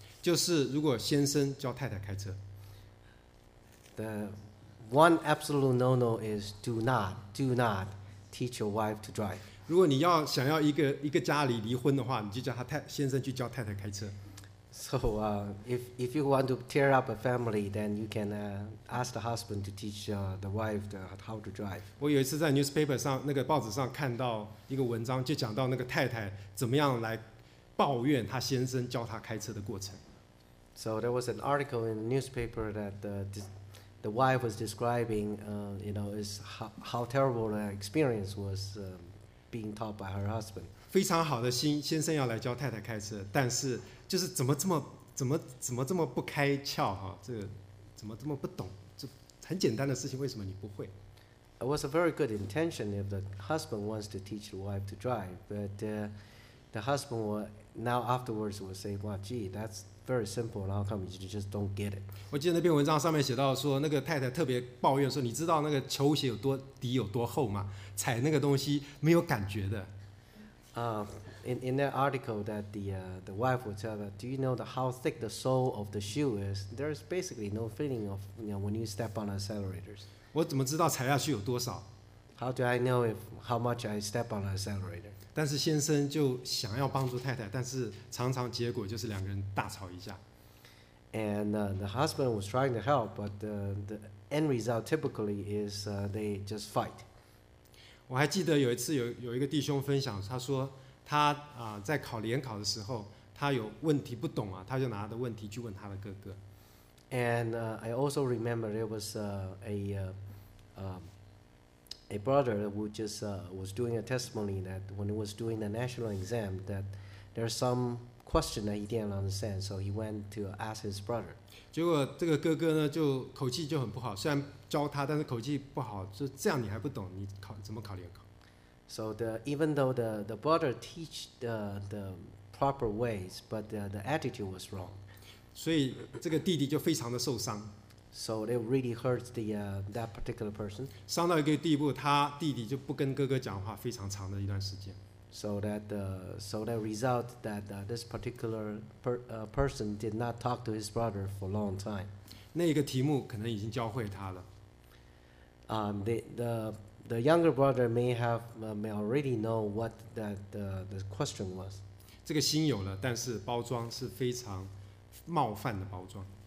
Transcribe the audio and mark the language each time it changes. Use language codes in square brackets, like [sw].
[zh] 就是如果先生叫太太开车。 [en] The one absolute no-no is do not teach your wife to drive. [zh] 如果你要想要一个家里离婚的话，你就叫他先生去叫太太开车。 [en] So, if you want to tear up a family, then you can ask the husband to teach the wife how to drive. [zh] 我有一次在 newspaper 上那个报纸上看到一个文章，就讲到那个太太怎么样来抱怨她先生教她开车的过程。 [en] So there was an article in the newspaper that the wife was describing, is how terrible the experience was being taught by her husband. [zh] 非常好的心，先生要来教太太开车，但是。就是怎么这么不开窍哈、啊？这个怎么这么不懂？这很简单的事情，为什么你不会 [en] ？It was a very good intention if the husband wants to teach the wife to drive, but the husband will say, "Well, gee, that's very simple. How come you just don't get it?" [zh] 我记得那篇文章上面写到说，那个太太特别抱怨说，你知道那个球鞋有多底有多厚吗？踩那个东西没有感觉的。 [en] In that article that the wife would tell that, do you know how thick the sole of the shoe is? There is basically no feeling of, when you step on accelerators. [zh] 我怎么知道踩下去有多少？ [en] How do I know how much I step on an accelerator? [zh] 但是先生就想要帮助太太，但是常常结果就是两个人大吵一架。 [en] And the husband was trying to help, but the end result typically is they just fight. [zh] 我还记得有一次有一个弟兄分享，他说他、在考联考的时候，他有问题不懂啊，他就拿他的问题去问他的哥哥。 [en] And I also remember there was a brother who just was doing a testimony that when he was doing the national exam that there's some question that he didn't understand, so he went to ask his brother. [zh] 结果这个哥哥呢，就口气就很不好，虽然教他，但是口气不好，就这样你还不懂，你考怎么考联考？ [en] So even though the brother teach the proper ways, but the attitude was wrong. [zh] 所以这个弟弟就非常的受伤。 [en] So it really hurts the that particular person. [zh] 伤到一个地步，他弟弟就不跟哥哥讲话，非常长的一段时间。 [en] So that result that this particular person did not talk to his brother for a long time. [zh] 那个题目可能已经教会他了。 [en] The younger brother may already know what the question was. [zh] 这个心有了，但是包装是非常冒犯的包装。